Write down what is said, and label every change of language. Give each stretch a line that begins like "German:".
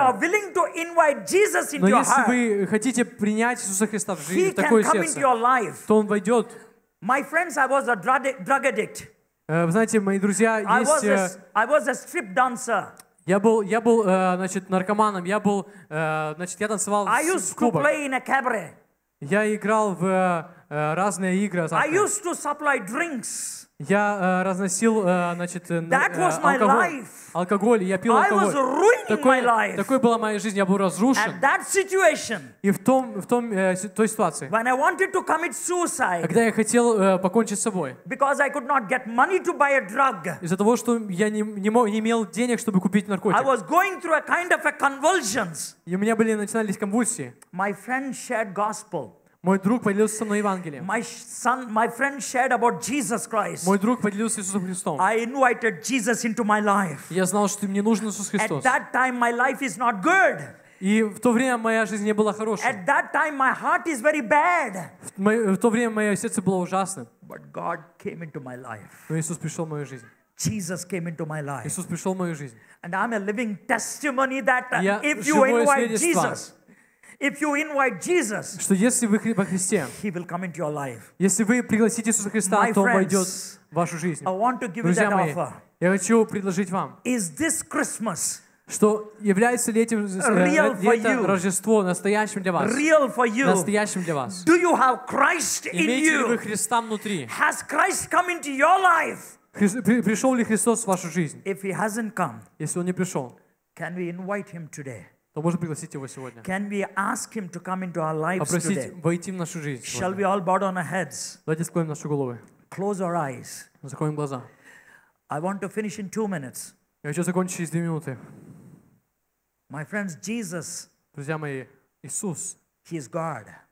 English: But if you are willing to invite Jesus into your heart,
Russian: но если вы хотите принять Иисуса Христа в жизнь, в такое сердце, то Он войдет.
English: My friends, I was a drug addict.
Russian: Знаете, мои друзья, есть.
English: I was a strip dancer.
Russian: Я был, значит, наркоманом. Я был, значит, я танцевал в клубах.
English: I used to play in a cabaret.
Russian: Я играл в разные игры.
English: I used to supply drinks.
Russian: Я разносил, значит,
English: that was my life.
Russian: Алкоголь, я пил алкоголь.
English: I was ruining my life.
Russian: Такой была моя жизнь, я был разрушен.
English: At that situation,
Russian: и в том, той ситуации,
English: when I wanted to commit suicide,
Russian: когда я хотел покончить с собой,
English: because I could not get money to buy a drug,
Russian: из-за того, что я не имел денег, чтобы купить наркотик,
English: I was going through a kind of a convulsions.
Russian: И у меня начинались конвульсии.
English: My friend shared gospel.
Russian: Мой друг поделился со мной Евангелием.
English: My friend shared about Jesus Christ.
Russian: Мой друг поделился Иисусом Христом.
English: I invited Jesus into my life.
Russian: Я знал, что мне нужен Иисус Христос.
English: At that time my life is not good.
Russian: И в то время моя жизнь не была хорошей.
English: At that time my heart is very bad.
Russian: В то время мое сердце было ужасным.
English: But God came into my life.
Russian: Но Иисус пришел в мою жизнь.
English: Jesus came into my life.
Russian: Иисус пришел в мою жизнь.
English: And I'm a living testimony that
Russian: я
English: if you invite Jesus. If you invite Jesus,
Russian: что если вы во Христе,
English: he will come into your life.
Russian: Если вы пригласите Иисуса Христа,
English: my
Russian: то Он войдет в вашу жизнь.
English: I want to give
Russian: друзья
English: you that
Russian: мои,
English: offer.
Russian: Я хочу предложить вам,
English: is this Christmas
Russian: что является ли этим
English: real
Russian: ли это Рождество настоящим для вас?
English: Real for you.
Russian: Настоящим для вас?
English: Do you have Christ in
Russian: имеете
English: you?
Russian: Ли вы Христа внутри?
English: Has Christ come into your life?
Russian: Пришел ли Христос в вашу жизнь?
English: If he hasn't come,
Russian: если Он не пришел,
English: can we invite him today?
Russian: Мы можем пригласить его сегодня.
English: Can we ask him to come into our lives today?
Russian: Попросить войти в нашу жизнь сегодня.
English: Shall we all bow down our heads?
Russian: Давайте склоним наши головы.
English: Close our eyes.
Russian: Закроем глаза.
English: I want to finish in 2 minutes.
Russian: Я хочу закончить через 2 минуты.
English: My friends, Jesus.
Russian: Друзья мои, Иисус.
English: He is God.